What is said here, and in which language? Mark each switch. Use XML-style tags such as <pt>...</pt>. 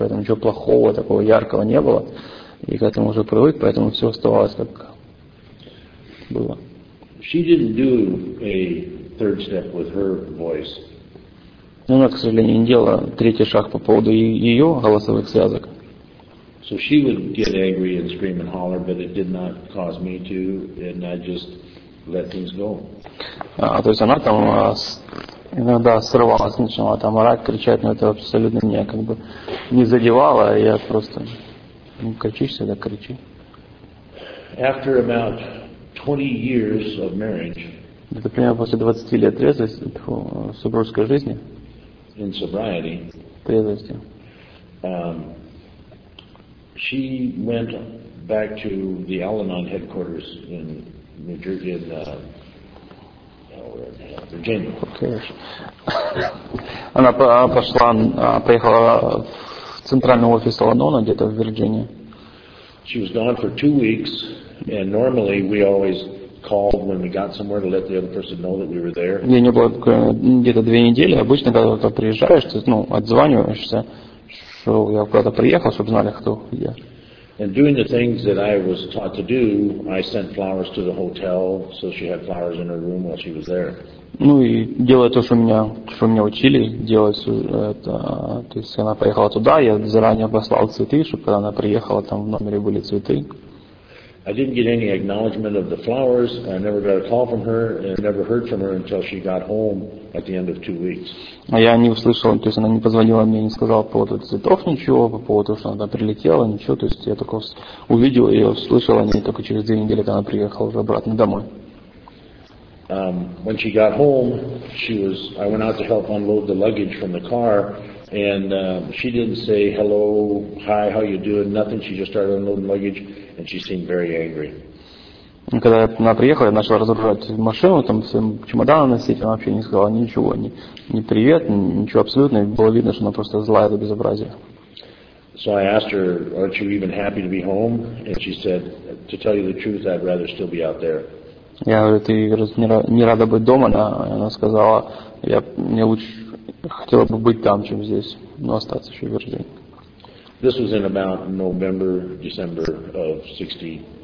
<ru>Поэтому ничего плохого, такого яркого не было. И к этому уже привык, поэтому все оставалось как было.</ru> <en>She didn't do a third step with her voice.</en> <ru>Но она, к сожалению, не делала третий шаг по поводу ее голосовых связок.</ru> <en>So she would get angry and scream and holler, but it did not cause me to, and I just let things go.</en> <ru>То есть она там иногда срывалась, начинала там орать, кричать, но это абсолютно меня как бы не задевало, и я просто кричишь всегда, кричи.</ru> <en>After about 20 years of marriage,</en> <ru>это примерно после 20 лет трезвости, супружеской жизни,</ru> <en>in sobriety,</en> <ru>трезвости,</ru> <en>she went back to the Al-Anon headquarters in New Jersey, and, Virginia. Okay.</en> <ru>Она пошла, поехала в центральный офис Al-Anon, где-то в Вирджинии.</ru> <en>She was gone for 2 weeks, and normally we always called when we got somewhere to let the other person know that we were there.</en> <ru>Я не был где-то 2 недели. Обычно, когда ты приезжаешь, ты, ну, отзваниваешься, что я куда-то приехал, чтобы знали, кто я.</ru> <en>And doing the things that I was taught to do, I sent flowers to the hotel, so she had flowers in her room while she was there.</en> <ru>Ну и делая то, что меня учили делать, это, то есть она поехала туда, я заранее послал цветы, чтобы когда она приехала, там в номере были цветы.</ru> <en>I didn't get any acknowledgement of the flowers. I never got a call from her, and never heard from her until she got home at the end of 2 weeks.</en> <ru>А я не услышал, то есть она не позвонила мне, не сказала по поводу цветов ничего, по поводу того, что она прилетела, ничего. То есть я только увидел ее, услышал о ней только через 2 недели, когда она приехала уже обратно домой.</ru> <en>When she got home, I went out to help unload the luggage from the car, and she didn't say hello, hi, how you doing, nothing. She just started unloading luggage. And she seemed very angry.</en> <ru>Когда она приехала, я начал разгружать машину, там своим чемоданом носить, она вообще не сказала ничего, ни привет, ничего абсолютно. Было видно, что она просто злая до безобразия.</ru> <en>So I asked her, aren't you even happy to be home? And she said, to tell you the truth, I'd rather still be out there.</en> <ru>Я говорю, ты не рада быть дома? Она сказала, мне лучше хотела бы быть там, чем здесь, но остаться еще в Вирджинии.</ru> <en>This was in about November, December of 62.</en>